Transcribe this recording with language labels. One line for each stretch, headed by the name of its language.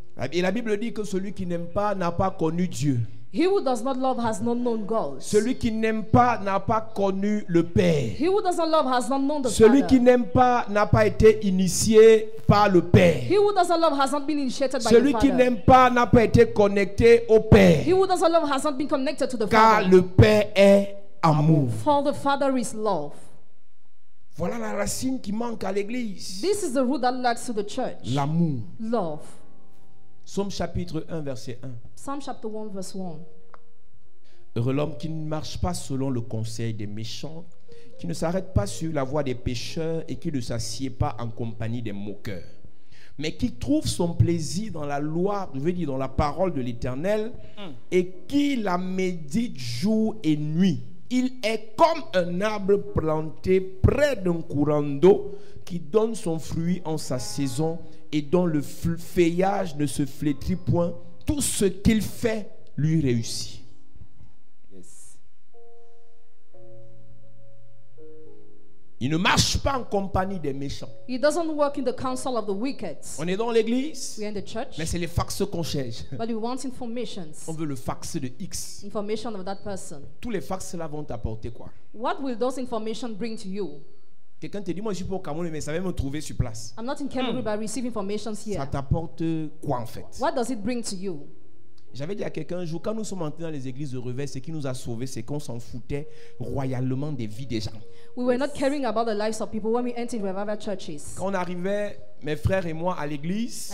French: Et la Bible dit que celui qui n'aime pas n'a pas connu Dieu.
English: He who does not love has not known God.
French: Celui qui n'aime pas n'a pas connu le Père.
English: He who does not love has not known the
French: Celui
English: Father.
French: Qui n'aime pas n'a pas été initié par le Père.
English: He who does not love has not been initiated by the Father.
French: Celui qui n'aime pas n'a pas été connecté au Père.
English: He who does not love has not been connected to the
French: Car
English: Father.
French: Car le Père est amour.
English: For the Father is love.
French: Voilà la racine qui manque à l'église.
English: This is the root that lacks to the church.
French: L'amour.
English: Love.
French: Psaume chapitre 1 verset 1.
English: Psalm chapter 1 verse 1.
French: Heureux l'homme qui ne marche pas selon le conseil des méchants, qui ne s'arrête pas sur la voie des pécheurs et qui ne s'assied pas en compagnie des moqueurs, mais qui trouve son plaisir dans la loi, je veux dire dans la parole de l'Éternel, et qui la médite jour et nuit. Il est comme un arbre planté près d'un courant d'eau qui donne son fruit en sa saison et dont le feuillage ne se flétrit point. Tout ce qu'il fait lui réussit.
English: Yes.
French: Il ne marche pas en compagnie des méchants.
English: He doesn't work in the council of the wicked.
French: On est dans l'église.
English: We are in the church.
French: Mais c'est les fax qu'on cherche.
English: But we want information.
French: On veut le fax de X.
English: Information of that person.
French: Tous les fax là vont t'apporter quoi?
English: What will those information bring to you?
French: Quelqu'un te dit, moi je suis pas au Cameroun, mais ça va me trouver sur place.
English: I'm not in Cameroon, but I receive information here.
French: Ça t'apporte quoi en fait?
English: What does it bring to you?
French: J'avais dit à quelqu'un un jour, quand nous sommes entrés dans les églises de revers, ce qui nous a sauvés, c'est qu'on s'en foutait royalement des vies des gens.
English: We were not caring about the lives of people when we entered revival churches.
French: Quand on arrivait, mes frères et moi, à l'église,